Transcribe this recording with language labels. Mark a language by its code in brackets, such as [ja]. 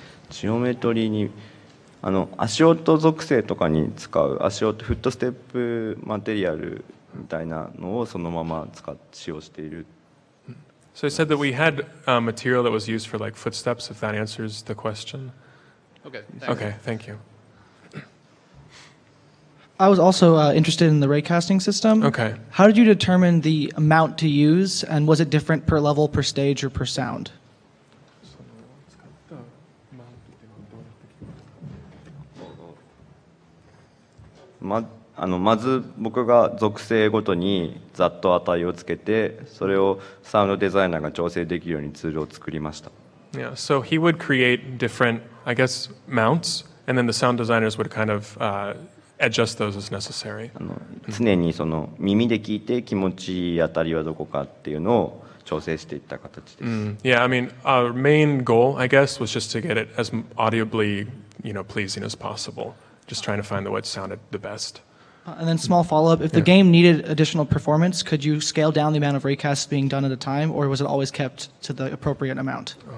[ja] ジオメトリーに足音属性とかに使う足音フットステップマテリアルみたいなのをそのまま使用している。 [en] So you said that we had material that was used for like footsteps, if that answers the question. Okay, thank you. I was also interested in the raycasting system. Okay. How did you determine the amount to use, and was it different per level, per stage, or per sound? [ja] まず僕が属性ごとにざっと値をつけて、それをサウンドデザイナーが調整できるようにツールを作りました。 [en] Yeah, so he would create different, I guess, mounts, and then the sound designers would kind of adjust those as necessary. [ja] 常にその耳で聞いて気持ちいい値はどこかっていうのを調整していった形です。 [en] Yeah, I mean, our main goal, I guess, was just to get it as audibly, you know, pleasing as possible. Just trying to find the what sounded the best. And then small follow-up, if the game needed additional performance, could you scale down the amount of raycasts being done at a time, or was it always kept to the appropriate amount?